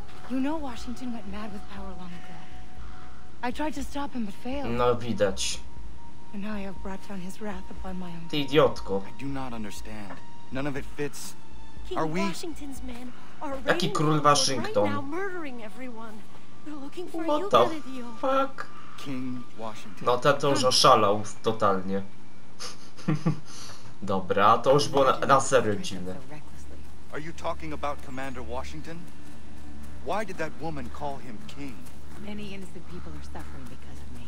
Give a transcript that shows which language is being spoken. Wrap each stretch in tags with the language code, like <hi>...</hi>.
<en>You know Washington went mad with power long ago. I tried to stop him but failed.</en> <pl>No widać.</pl> <en>And now I have brought down his wrath upon my own.</en> <pl>Ty idiotko.</pl> <en>I do not understand. None of it fits. Are we? Washington's men are raiding.</en> <pl>Jaki król Waszyngton?</pl> <en>Right now, murdering everyone. They're looking for you, idiot. What the fuck? King Washington.</en> <pl>No, ten to już oszalał totalnie. Dobra, to już było na serio dziwne.</pl> <en>Are you talking about Commander Washington? Why did that woman call him king? Many innocent people are suffering because.</en>